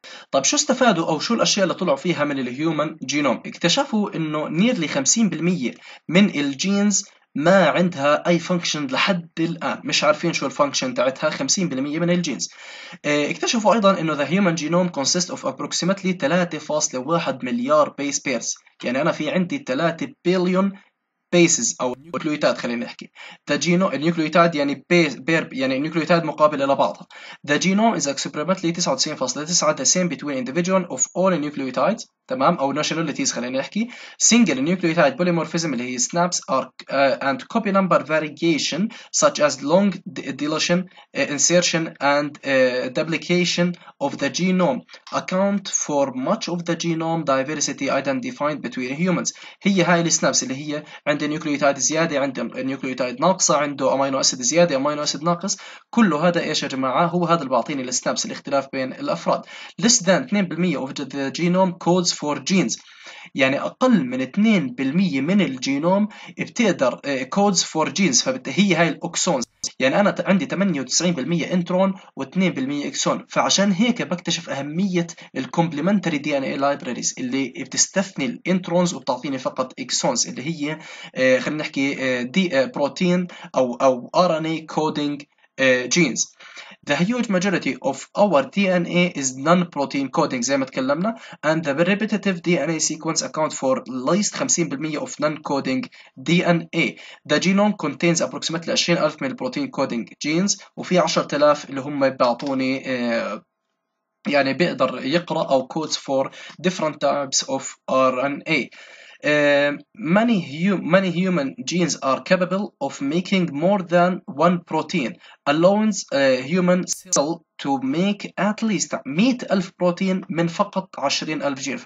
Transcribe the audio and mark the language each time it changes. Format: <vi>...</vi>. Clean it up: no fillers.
<ar>طب شو استفادوا أو شو الأشياء اللي طلعوا فيها من الهيومن جينوم؟ اكتشفوا إنه نيرلي 50% من الجينز ما عندها أي فانكشن لحد الآن، مش عارفين شو الفانكشن تاعتها 50% من الجينز. اكتشفوا أيضا إنه the human genome consists of approximately 3.1 مليار base pairs، يعني أنا في عندي 3 billion bases أو نيوكليوتيد، خلينا نحكي the genome النيوكليوتيد يعني pair يعني نيوكليوتيد مقابل لبعضها.</ar> <en>the genome is approximately 99.9 the same between individual of all nucleotides، تمام او nationalities خلينا نحكي سنجل نيوكليوتايد بوليمورفيزم اللي هي SNPs or and copy number variation such as long deletion insertion and duplication of the genome account for much of the genome diversity identified between humans.</en> <ar>هي هاي السنابس اللي هي عند نيوكليوتايد زياده عند نيوكليوتايد ناقصه عنده امينو اسيد زياده امينو اسيد ناقص كله هذا ايش يا جماعه هو هذا اللي بيعطيني السنابس الاختلاف بين الافراد.</ar> <en>less than 2% of the genome codes for genes.</en> <ar>يعني اقل من 2% من الجينوم بتقدر كودز فور جينز فهي هاي الاكسونز يعني انا عندي 98% انترون و2% اكسون فعشان هيك بكتشف اهميه الكومبلمنتري دي ان اي لايبريز اللي بتستثني الانترونز وبتعطيني فقط اكسونز اللي هي خلينا نحكي دي بروتين او ار ان اي كودينج جينز.</ar> <en>The huge majority of our DNA is non-protein coding زي ما تكلمنا and the repetitive DNA sequence account for least 50% of non-coding DNA.</en> <ar>The genome contains approximately 20,000 من البروتين كودينج جينز وفي 10,000 اللي هم بيعطوني يعني بيقدر يقرأ أو codes for different types of RNA.</ar> <en>Many human genes are capable of making more than one protein, allowing human cell to make at least 100,000 protein من فقط 20,000 gene.</en>